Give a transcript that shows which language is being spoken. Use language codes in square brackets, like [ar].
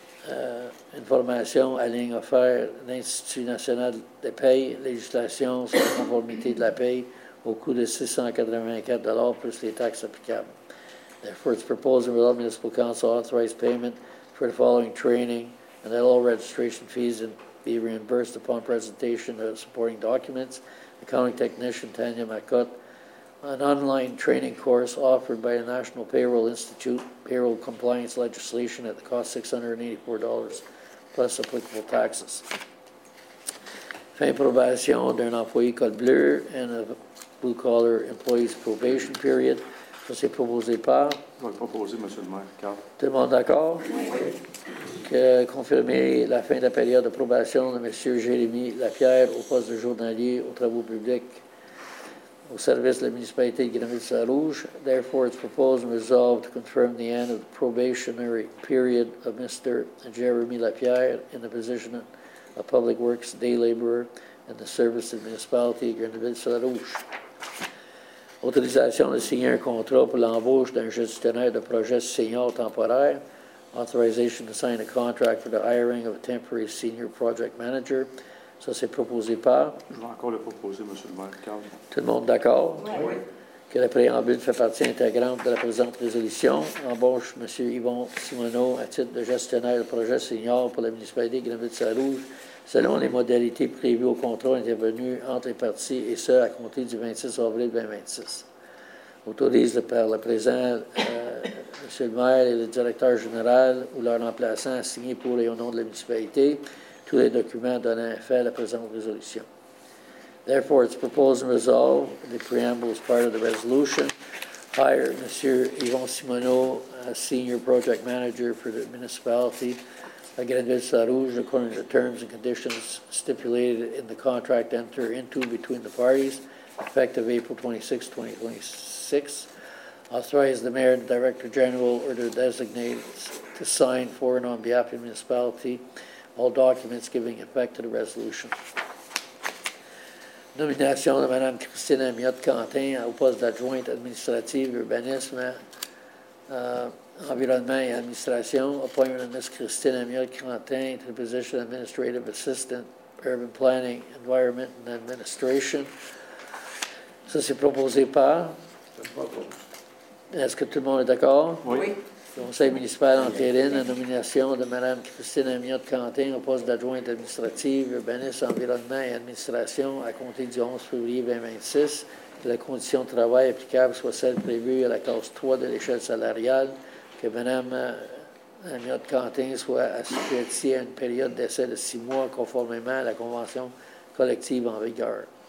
[fr] Une formation à ligne offerte à l'Institut national des payes, législation sur la conformité de la paye au coût de $684 plus les taxes applicables. [en] Therefore, it's proposed that the Municipal Council authorize payment for the following training and that all registration fees be reimbursed upon presentation of supporting documents. Accounting technician Tanya Marcotte, an online training course offered by the National Payroll Institute, payroll compliance legislation at the cost of $684 plus applicable taxes. [fr] Fin probation d'un employé Code Bleu [en] and a blue collar employee's probation period. [fr] Ça, c'est proposé par. Proposé, Monsieur le Maire. Tout le monde d'accord? Oui. Que confirmer la fin de la période de probation de Monsieur Jérémy Lapierre au poste de journalier aux travaux publics. Au service de la municipalité de Grenville-sur-Rouge. [en] Therefore, it's proposed and resolved to confirm the end of the probationary period of Mr. Jeremy Lapierre in the position of public works day laborer in the service of the municipality of Grenville-sur-Rouge. [fr] Autorisation de signer un contrat pour l'embauche d'un gestionnaire de projet senior temporaire. [en] Authorization to sign a contract for the hiring of a temporary senior project manager. [fr] Ça, c'est proposé par. Je vais encore le proposer, M. le maire. Calme. Tout le monde d'accord? Oui. Que le préambule fait partie intégrante de la présente résolution. Embauche M. Yvon Simoneau à titre de gestionnaire de projet senior pour la municipalité de Grenville-sur-Rouge selon les modalités prévues au contrat intervenu entre les parties et ce, à compter du 26 avril 2026. Autorise par le présent M. le maire et le directeur général ou leur remplaçant à signer pour et au nom de la municipalité tous les documents donnant effet à la présente résolution. [en] Therefore, it's proposed and resolved, the preamble is part of the resolution, hire M. Yvon Simoneau, Senior Project Manager for the Municipality of Grenville-sur-Rouge, according to the terms and conditions stipulated in the contract entered into between the parties, effective April 26, 2026. Authorize the Mayor and Director General or their designates to sign for and on behalf of the Municipality all documents giving effect to the resolution. [fr] Nomination de Mme Christine Amiot-Cantin au poste d'adjointe administrative, urbanisme, environnement et administration. [en] Appointment of Ms. Christine Amiot-Cantin to the position of administrative assistant, urban planning, environment and administration. [fr] Ça, c'est proposé par? Est-ce que tout le monde est d'accord? Oui. Conseil municipal entérine la nomination de Mme Christine Amiot-Cantin au poste d'adjointe administrative, urbaniste, environnement et administration à compter du 11 février 2026, que la condition de travail applicable soit celle prévue à la clause 3 de l'échelle salariale, que Mme Amiot-Cantin soit assujettie à une période d'essai de 6 mois conformément à la convention collective en vigueur.